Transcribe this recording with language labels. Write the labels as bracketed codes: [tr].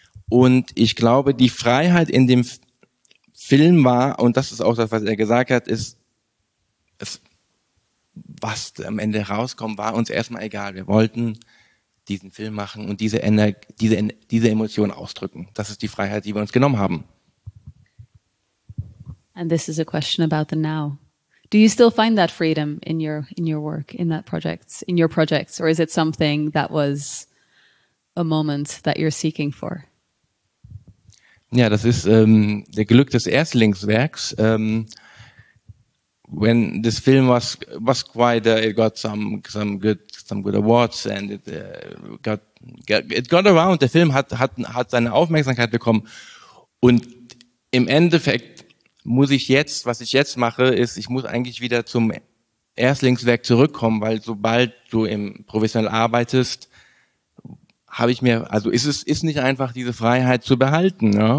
[de] Und ich glaube, die Freiheit in dem Film war, und das ist auch das, was er gesagt hat, ist, was am Ende rauskommt, war uns erstmal egal. Wir wollten diesen Film machen und diese Emotion ausdrücken. Das ist die Freiheit, die wir uns genommen haben. [en] And this is a question about the now. Do you still find that freedom in your work, in that project, in your projects, or is it something that was a moment that you're seeking for? [de] Ja, das ist der Glück des Erstlingswerks. [en] When this film was quite, it got some good awards and it got around. [de] Der Film hat seine Aufmerksamkeit bekommen. Und im Endeffekt muss ich jetzt, was ich jetzt mache, ist, ich muss eigentlich wieder zum Erstlingswerk zurückkommen, weil sobald du im professionell arbeitest, habe ich mir, also ist nicht einfach, diese Freiheit zu behalten, ne?